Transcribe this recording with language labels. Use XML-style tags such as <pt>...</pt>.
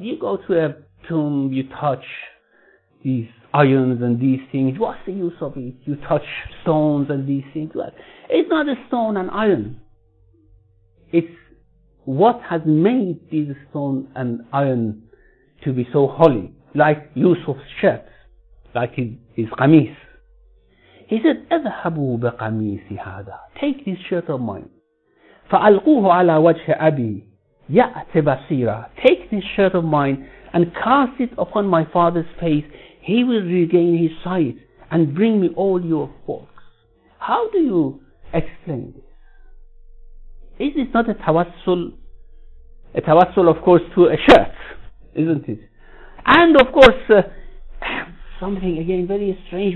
<en>You go to a tomb, you touch these irons and these things, what's the use of it? You touch stones and these things. Well, it's not a stone and iron. It's what has made these stone and iron to be so holy, like Yusuf's shirt, like his qamis. He said,</en> <ar>اذهبوا بقميسي هذا.</ar> <en>Take this shirt of mine.</en> <ar>فألقوه على وجه أبي يأتي بصيرا.</ar> <en>Take this shirt of mine and cast it upon my father's face. He will regain his sight and bring me all your folks. How do you explain this? Is this not a tawassul? A tawassul, of course, to a shirt, isn't it? And of course, something again very strange.</en>